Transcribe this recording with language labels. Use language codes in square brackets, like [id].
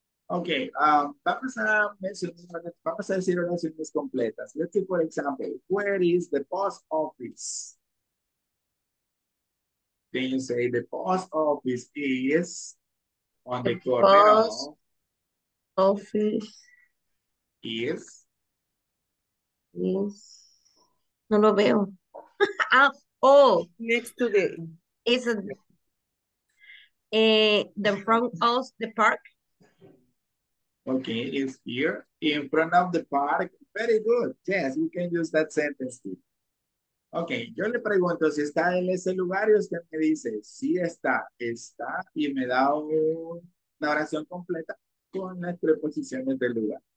[es] Okay, vamos a mencionar, vamos a decir oraciones completas. [en] Let's see, for example, where is the post office? Can you say the post office is on the corner? Post office is? Is. [es] No lo veo. Oh. [en] Next to the. Is it the front of the park? Okay, it's here in front of the park. Very good. Yes, you can use that sentence too. [es] Okay, yo le pregunto si está en ese lugar y usted me dice, sí está, está, y me da una oración completa con las preposiciones del lugar.